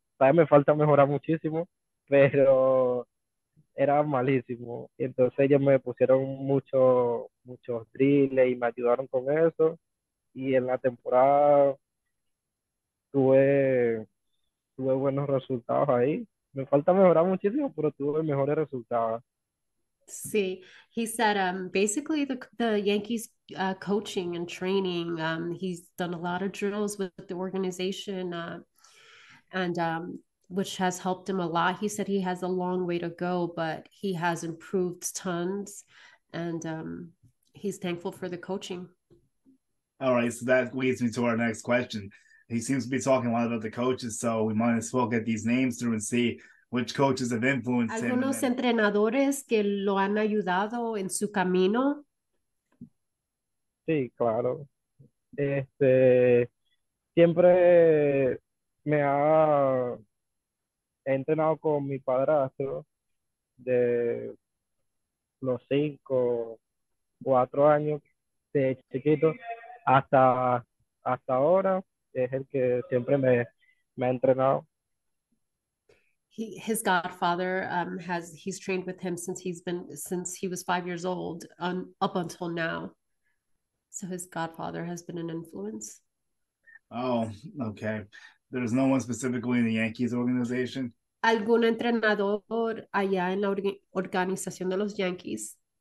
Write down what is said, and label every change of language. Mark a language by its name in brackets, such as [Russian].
[Spanish] Todavía me falta mejorar muchísimo, pero era malísimo. Entonces ellos me pusieron muchos drills y me ayudaron con eso. Y en la temporada tuve buenos resultados ahí. Me falta mejorar muchísimo, pero tuve mejores resultados. [English] See, he said basically the Yankees coaching and training, he's done a lot of drills with the organization and which has helped him a lot. He said he has a long way to go, but he has improved tons and He's thankful for the coaching. All right, so that leads me to our next question. He seems to be talking a lot about the coaches, so we might as well get these names through and see which coaches have influenced [Spanish] Algunos [English] him. [Spanish] Algunos entrenadores que lo han ayudado en su camino. Sí, claro. Siempre me ha entrenado con mi padrastro de los 5, 4 años de chiquito hasta ahora. Es el que siempre me ha entrenado. [English] His godfather he's trained with him since he was 5 years old up until now. So his godfather has been an influence. Oh, okay. There's no one specifically in the Yankees organization. [Spanish] ¿Algún entrenador allá en la organización de los Yankees?